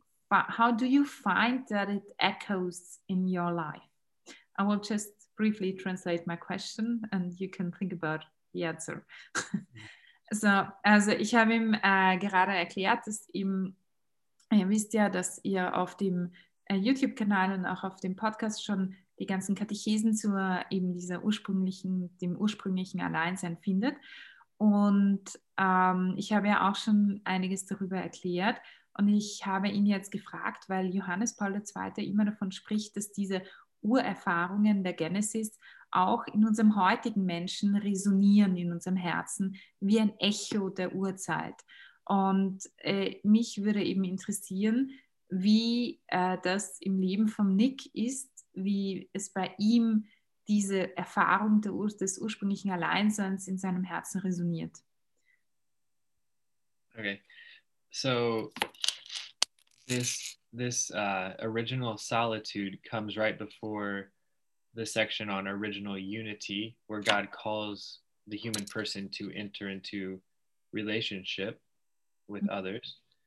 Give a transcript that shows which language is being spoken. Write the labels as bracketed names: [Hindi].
[English] How do you find that it echoes in your life? I will just briefly translate my question and you can think about the answer. [German] So, ich habe ihm gerade erklärt, dass ihr wisst ja, dass ihr auf dem YouTube-Kanal und auch auf dem Podcast schon die ganzen Katechesen zu eben dem ursprünglichen Alleinsein findet. Und ich habe ja auch schon einiges darüber erklärt. Und ich habe ihn jetzt gefragt, weil Johannes Paul II. Immer davon spricht, dass diese Urerfahrungen der Genesis auch in unserem heutigen Menschen resonieren, in unserem Herzen, wie ein Echo der Urzeit. Und mich würde eben interessieren, wie das im Leben von Nick ist, wie es bei ihm diese Erfahrung des ursprünglichen Alleinseins in seinem Herzen resoniert. Okay. [English] So this original solitude comes right before the section on original unity, where God calls the human person to enter into relationship with others.